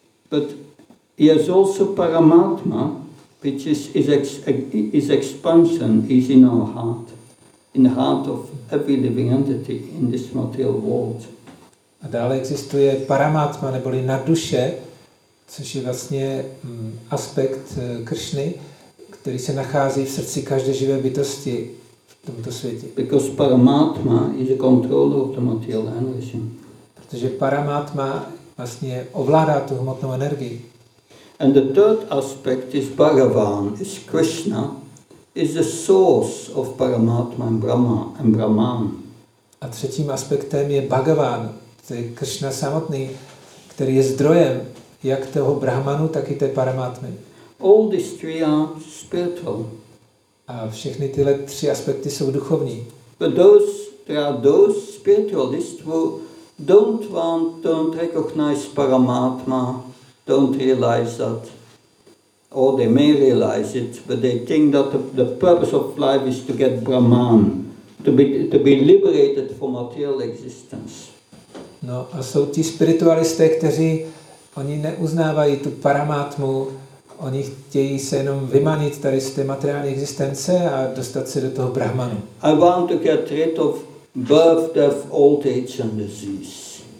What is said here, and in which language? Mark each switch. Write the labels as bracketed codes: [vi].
[en] But he has also Paramatma, which is expansion, is in our heart, in the heart of every living entity in this material world. [cs] A dále existuje Paramatma, neboli na duše, což je vlastně aspekt Krishny, který se nachází v srdci každé živé bytosti v tomto světě. [en] Because Paramatma is a controller of the material energy. [cs] Protože Paramatma vlastně ovládá tu hmotnou energii. [en] And the third aspect is Bhagavan, is Krishna, is the source of Paramatma and Brahma and Brahman. [cs] A třetím aspektem je Bhagavan, to je Krishna samotný, který je zdrojem jak toho Brahmanu, tak i té Paramatmy. [en] All these three are spiritual. [cs] A všechny tyhle tři aspekty jsou duchovní. [en] But those spiritualists who don't recognize Paramatma, don't realize that, or they may realize it, but they think that the purpose of life is to get Brahman, to be liberated from material existence. [cs] No, a jsou ti spiritualisté, kteří oni neuznávají tu Paramatmu. Oni chtějí se jenom vymanit tady z té materiální existence a dostat se do toho Brahmanu. [en] I want to get rid of birth, death, old age and disease.